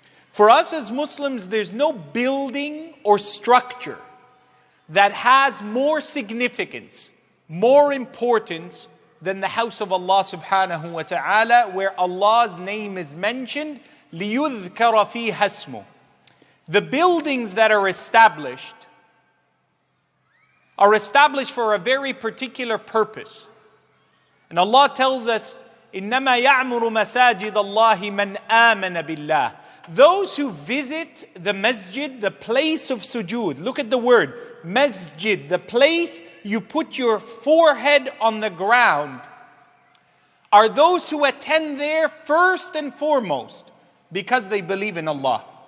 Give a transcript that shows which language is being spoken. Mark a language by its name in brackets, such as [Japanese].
[English] For us as Muslims, there's no building or structure that has more significance, more importance than the house of Allah subhanahu wa ta'ala, where Allah's name is mentioned, [Arabic] لِيُذْكَرَ فِيهَ اسْمُ. [English] The buildings that are established for a very particular purpose. And Allah tells us, [Arabic] إِنَّمَا يَعْمُرُ مَسَاجِدَ اللَّهِ مَنْ آمَنَ بِاللَّهِ. [English] Those who visit the masjid, the place of sujood, look at the word, masjid, the place you put your forehead on the ground, are those who attend there first and foremost because they believe in Allah.